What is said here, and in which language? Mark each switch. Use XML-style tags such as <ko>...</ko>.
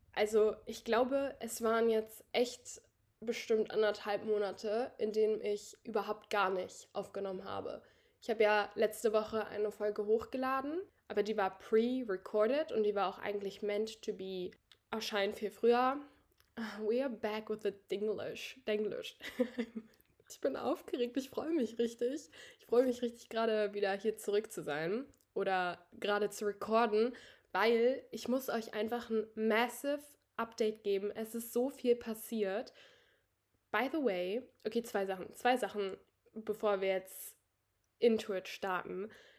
<de>Also ich glaube, es waren jetzt echt bestimmt 1,5 Monate, in denen ich überhaupt gar nicht aufgenommen habe. Ich habe ja letzte Woche eine Folge hochgeladen, aber die war pre-recorded und die war auch eigentlich</de> <en>meant to be</en> <de>erscheinen viel früher.</de> <en>We are back with the Dinglish. Denglish.</en> <de>Ich bin aufgeregt, ich freue mich richtig. Ich freue mich richtig, gerade wieder hier zurück zu sein oder gerade zu recorden, weil ich muss euch einfach ein massive Update geben. Es ist so viel passiert.</de> <en>By the way,</en> <de>okay, zwei Sachen, bevor wir jetzt</de> <en>into it</en> <de>starten.</de>